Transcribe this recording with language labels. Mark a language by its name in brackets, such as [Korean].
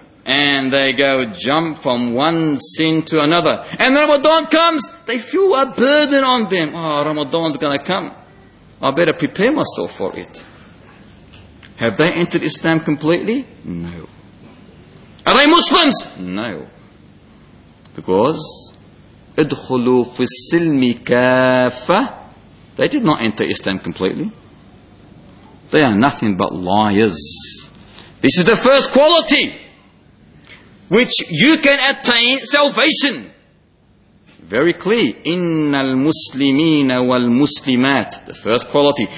[English] And they go jump from one sin to another. And Ramadan comes, they feel a burden on them. Oh, Ramadan's going to come. I better prepare myself for it. Have they entered Islam completely? No. Are they Muslims? No. Because, [Arabic] ادخلوا في السلم كافة. [English] They did not enter Islam completely. They are nothing but liars. This is the first quality which you can attain salvation. Very clear. [Arabic] إِنَّ الْمُسْلِمِينَ وَالْمُسْلِمَاتِ. [English] The first quality.